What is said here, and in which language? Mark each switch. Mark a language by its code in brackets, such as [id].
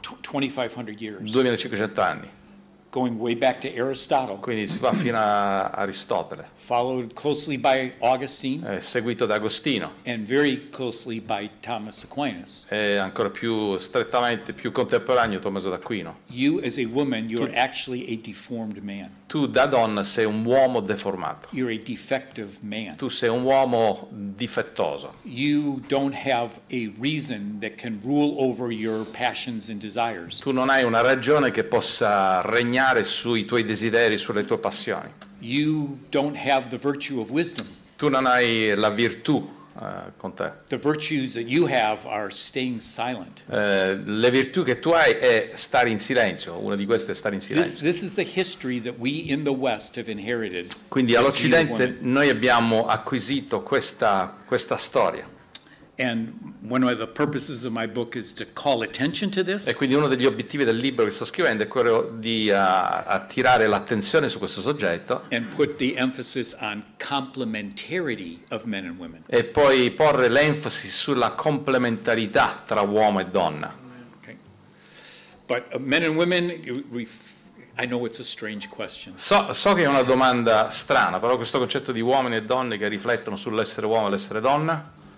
[en] 2500 years. [it] 2500 anni. [en] Going way back to Aristotle. [it] Quindi si va fino a Aristotele. [en] Followed closely by Augustine. [it] Seguito da Agostino. [en] And very closely by Thomas Aquinas. [it] E ancora più strettamente, più contemporaneo, Tommaso d'Aquino. [en] You as a woman, you're actually a deformed man. [it] Tu da donna sei un uomo deformato. [en] You're a defective man. [it] Tu sei un uomo difettoso. [en] You don't have a reason that can rule over your passions and desires. [it] Tu non hai una ragione che possa regnare sui tuoi desideri, sulle tue passioni. [en] You don't have the virtue of wisdom. [it] Tu non hai la virtù con te. [en] The virtues that you have are staying silent. [it] Le virtù che tu hai è stare in silenzio. Una di queste è stare in silenzio. [en] This is the history that we in the West have inherited. [it] Quindi all'Occidente noi abbiamo acquisito questa storia. [en] And one of the purposes of my book is to call attention to this. [it] E quindi uno degli obiettivi del libro che sto scrivendo è quello di attirare l'attenzione su questo soggetto. [en] And put the emphasis on complementarity of men and women. [it] E poi porre l'enfasi sulla complementarità tra uomo e donna. [en] Okay. But men and women, I know it's a strange question. [it] So che è una domanda strana, però questo concetto di uomini e donne che riflettono sull'essere uomo e l'essere donna.